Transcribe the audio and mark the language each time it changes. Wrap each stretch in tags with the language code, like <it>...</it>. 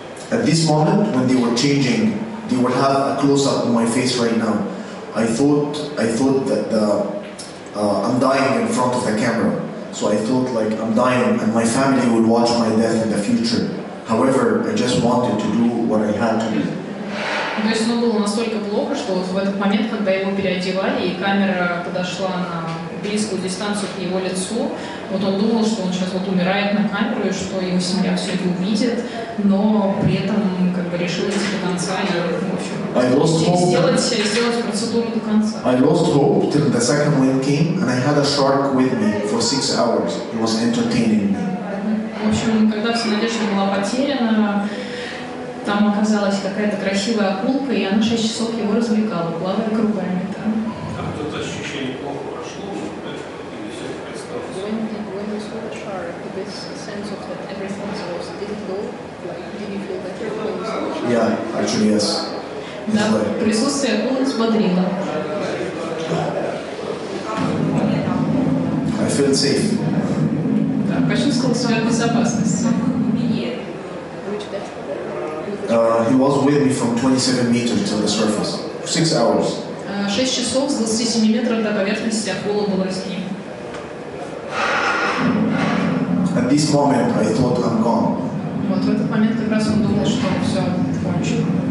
<en>At this moment, when they were changing, they would have a close-up on my face right now. I thought that I'm dying in front of the camera. So I thought like I'm dying and my family would watch my death in the future. However, I just wanted to do what I had to do.</en> <ru>То есть оно было настолько плохо, что в этот момент, когда его переодевали, и камера подошла на близкую дистанцию к его лицу, вот он думал, что он сейчас вот умирает на камеру, и что его семья все это увидит, но при этом как бы решил идти до конца и, в общем, сделать процедуру до конца.</ru> <en>I lost hope till the second wind came, and I had a shark with me for 6 hours. It was entertaining me.</en> <ru>В общем, когда вся надежда была потеряна, там оказалась какая-то красивая акулка, и она 6 часов его развлекала, плавая кругами там. Там кто-то ощущение плохо прошло, но это и не все представилось.</ru> <en>When you saw the shark, this sense of that everything was, did it go? Like, did you feel better? Yeah, actually, yes.</en> <ru>Да, присутствие акулы взбодрило.</ru> <en>I feel safe.</en> <ru>Да, почувствовал свою безопасность.</ru> <en>He was with me from 27 meters to the surface. 6 hours.</en> <ru>6 часов с 27 метров до поверхности акула была с ним.</ru> <en>At this moment, I thought I'm gone.</en> <ru>Вот в этот момент как раз он думал, что все кончено.</ru>